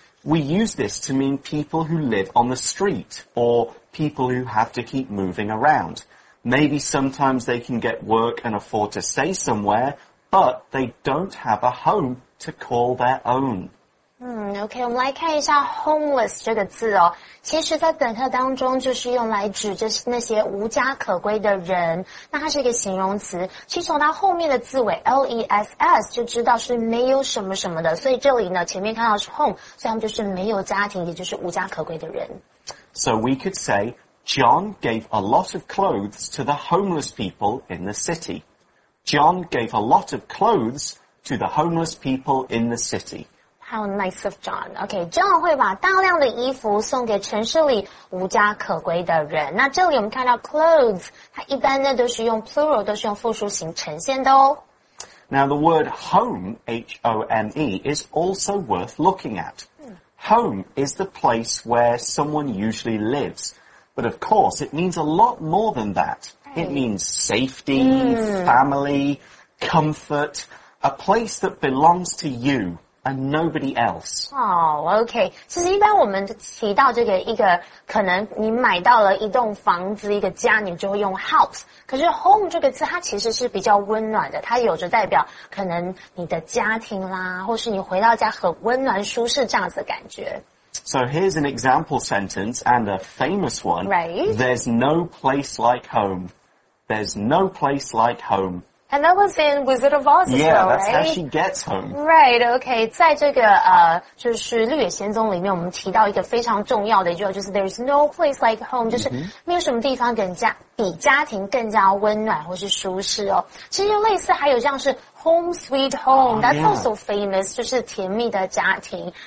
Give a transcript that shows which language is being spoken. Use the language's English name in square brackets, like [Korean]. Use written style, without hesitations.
[English] We use this to mean people who live on the street or people who have to keep moving around. Maybe sometimes they can get work and afford to stay somewhere, but they don't have a home to call their own. [Chinese] OK, 我们来看一下 homeless 这个字哦。其实在本课当中就是用来指就是那些无家可归的人。那它是一个形容词。其实从它后面的字尾 ,L-E-S-S, 就知道是没有什么什么的。所以这里呢前面看到是 home, 所以他们就是没有家庭也就是无家可归的人。 [English] So we could say, John gave a lot of clothes to the homeless people in the city. John gave a lot of clothes to the homeless people in the city. How nice of John. Okay, [Chinese] John 会把大量的衣服送给城市里无家可归的人。那这里我们看到 clothes, 它一般呢都是用 plural, 都是用复数型呈现的哦。 [English] Now the word home, H-O-M-E, is also worth looking at. Home is the place where someone usually lives. But of course, it means a lot more than that. It means safety, family, comfort, a place that belongs to you. And nobody else. Oh, okay. [Chinese] 其实一般我们提到这个一个可能你买到了一栋房子一个家你就会用 house. 可是 home 这个字它其实是比较温暖的它有着代表可能你的家庭啦或是你回到家很温暖舒适这样子的感觉。 [English] So here's an example sentence and a famous one. Right? There's no place like home. There's no place like home. And that was in Wizard of Oz as well, yeah, right? Yeah, that's how she gets home. [Chinese] Right, okay. 在这个就是绿野仙踪里面我们提到一个非常重要的一句话就是 [English] There's no place like home,、 [Chinese] 就是没有什么地方更加比家庭更加温暖或是舒适哦。其实就类似还有像是 [English] home sweet home,、that's also famous, [Chinese] 就是甜蜜的家庭。